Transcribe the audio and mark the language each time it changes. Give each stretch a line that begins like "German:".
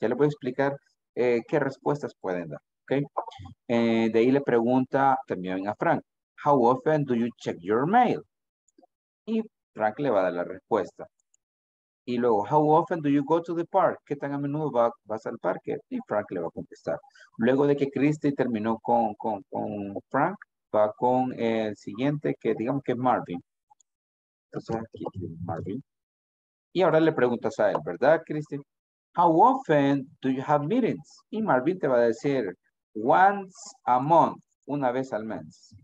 Spanish: Ya le voy a explicar qué respuestas pueden dar, ¿ok? De ahí le pregunta también a Frank,
English: how often do you check your mail?
Spanish: Y Frank le va a dar la respuesta. Y luego,
English: how often do you go to the park?
Spanish: ¿Qué tan a menudo vas al parque? Y Frank le va a contestar. Luego de que Christy terminó con Frank, va con el siguiente, que digamos que es Marvin. Entonces, aquí tiene Marvin. Y ahora le preguntas a él, ¿verdad, Christy?
English: How often do you have meetings?
Spanish: Y Marvin te va a decir,
English: once a month,
Spanish: una vez al mes.